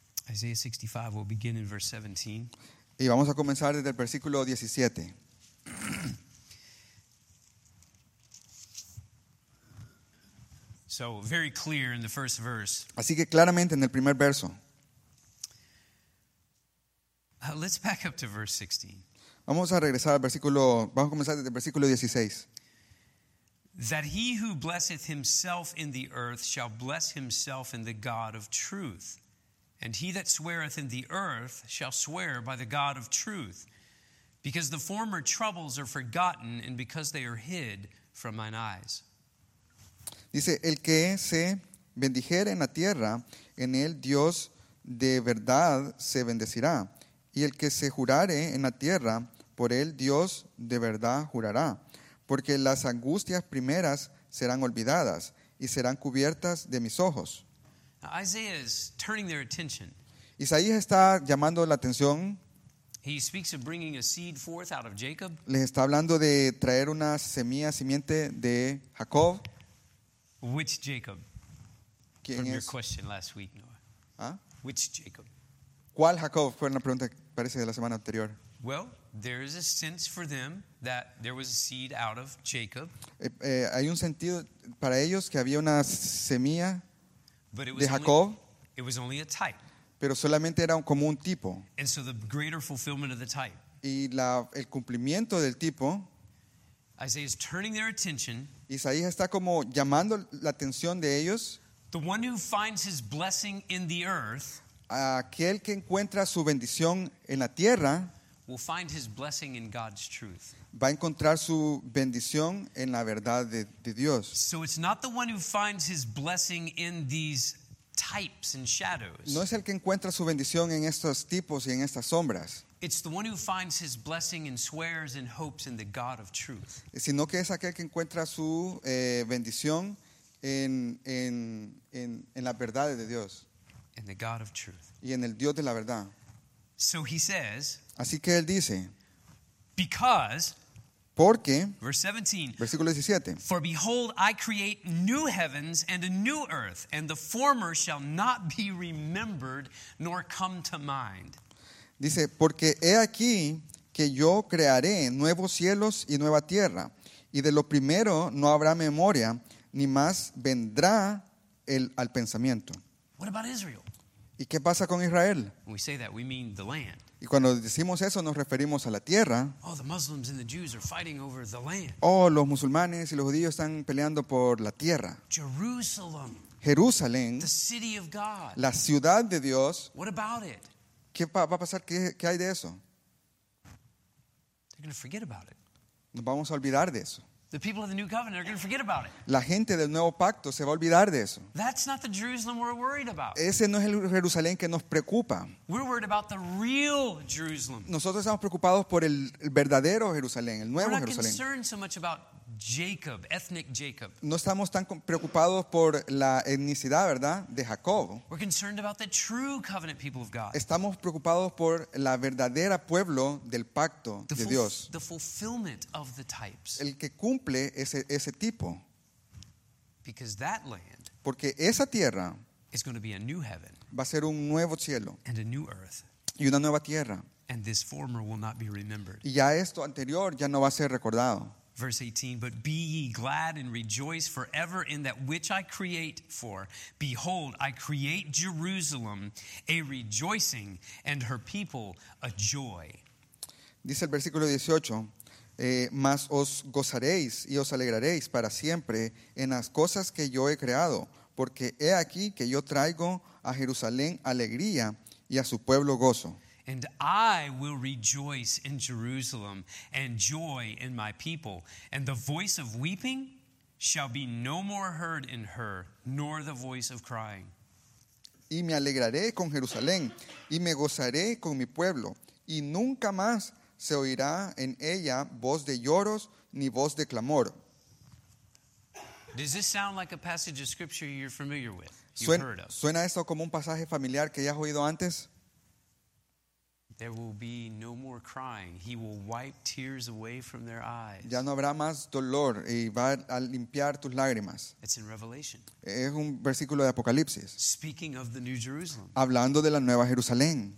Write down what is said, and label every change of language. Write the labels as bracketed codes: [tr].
[en] Isaiah 65, we'll begin in verse 17. [es] Y vamos a comenzar desde el versículo 17. [en] So, very clear in the first verse. [es] Así que claramente en el primer verso. [en] Let's back up to verse 16. [es] Vamos a regresar al versículo, vamos a comenzar desde el versículo 16. [en] That he who blesseth himself in the earth shall bless himself in the God of truth. And he that sweareth in the earth shall swear by the God of truth, because the former troubles are forgotten and because they are hid from mine eyes. [es] Dice, el que se bendijere en la tierra, en él Dios de verdad se bendecirá. Y el que se jurare en la tierra, por él Dios de verdad jurará. Porque las angustias primeras serán olvidadas y serán cubiertas de mis ojos. [en] Now, Isaiah is turning their attention. [es] Isaías está llamando la atención. [en] He speaks of bringing a seed forth out of Jacob. [es] Les está hablando de traer una semilla, simiente de Jacob. [en] Which Jacob? [es] ¿Quién [en] From [es] es? [en] Your question last week, Noah. ¿Ah? Which Jacob? [es] ¿Cuál Jacob? Fue una pregunta, parece, de la semana anterior. [en] Well, there is a sense for them that there was a seed out of Jacob. [es] Hay un sentido para ellos que había una semilla. [en] But it was, [es] de Jacob, [en] only, it was only a type. [es] Pero solamente era como un tipo. [en] And so the greater fulfillment of the type. [es] Y la, el cumplimiento del tipo. [en] Isaiah is turning their attention. [es] Isaías está como llamando la atención de ellos. [en] The one who finds his blessing in the earth. [es] Aquel que encuentra su bendición en la tierra. [en] Will find his blessing in God's truth. [es] Va a encontrar su bendición en la verdad de Dios. [en] So it's not the one who finds his blessing in these types and shadows. [es] No es el que encuentra su bendición en estos tipos y en estas sombras. [en] It's the one who finds his blessing in swears and hopes in the God of truth. [es] Sino que es aquel que encuentra su bendición en la verdad de Dios. [en] In the God of truth. [es] Y en el Dios de la verdad. [en] So he says. [es] Así que él dice. [en] Because, [es] porque, [en] verse 17, [es] versículo 17, [en] for behold, I create new heavens and a new earth, and the former shall not be remembered nor come to mind. [es] Dice, porque he aquí que yo crearé nuevos cielos y nueva tierra, y de lo primero no habrá memoria, ni más vendrá el al pensamiento. [en] What about Israel? [es] ¿Y qué pasa con Israel? [en] When we say that, we mean the land. [es] Y cuando decimos eso, nos referimos a la tierra. [en] Oh, the Muslims and the Jews are fighting over the land. [es] Oh, los musulmanes y los judíos están peleando por la tierra. [en] Jerusalem. [es] Jerusalén. [en] The city of God. [es] La ciudad de Dios. [en] What about it? [es] ¿Qué va a pasar? ¿Qué hay de eso? [en] They're going to forget about it. [es] Nos vamos a olvidar de eso. [en] The people of the new covenant are going to forget about it. [es] La gente del nuevo pacto se va a olvidar de eso. [en] That's not the Jerusalem we're worried about. [es] Ese no es el Jerusalén que nos preocupa. [en] We're worried about the real Jerusalem. [es] Nosotros estamos preocupados por el verdadero Jerusalén, el nuevo Jerusalén. [en] We're not concerned so much about Jacob, ethnic Jacob. [es] No estamos tan preocupados por la etnicidad, ¿verdad?, de Jacob. [en] We're concerned about the true covenant people of God. [es] Estamos preocupados por la verdadera pueblo del pacto de Dios. [en] The fulfillment of the types. [es] El que cumple ese tipo. [en] Because that land. [es] Porque esa tierra [en] is going to be a new heaven. [es] Va a ser un nuevo cielo. [en] And a new earth. [es] Y una nueva tierra. [en] And this former will not be remembered. [es] Y ya esto anterior ya no va a ser recordado. [en] Verse 18, but be ye glad and rejoice forever in that which I create, for behold, I create Jerusalem a rejoicing and her people a joy. [es] Dice el versículo 18, mas os gozaréis y os alegraréis para siempre en las cosas que yo he creado, porque he aquí que yo traigo a Jerusalén alegría y a su pueblo gozo. [en] And I will rejoice in Jerusalem and joy in my people. And the voice of weeping shall be no more heard in her, nor the voice of crying. [es] Y me alegraré con Jerusalén, y me gozaré con mi pueblo, y nunca más se oirá en ella voz de lloros ni voz de clamor. [en] Does this sound like a passage of scripture you're familiar with? [es] ¿Suena esto como un pasaje familiar que ya has oído antes? [en] There will be no more crying. He will wipe tears away from their eyes. [es] Ya no habrá más dolor y va a limpiar tus lágrimas. [en] It's in Revelation. [es] Es un versículo de Apocalipsis. [en] Speaking of the New Jerusalem. [es] Hablando de la Nueva Jerusalén.